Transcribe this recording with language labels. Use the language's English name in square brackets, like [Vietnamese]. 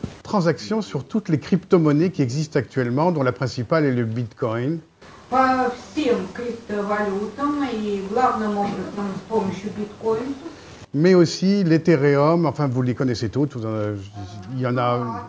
[French] Transactions sur toutes les crypto-monnaies qui existent actuellement, dont la principale est le Bitcoin. [Russian] По всем криптовалютам и главным образом с помощью Bitcoin. [French] Mais aussi l'Ethereum, enfin vous les connaissez toutes, il y en a...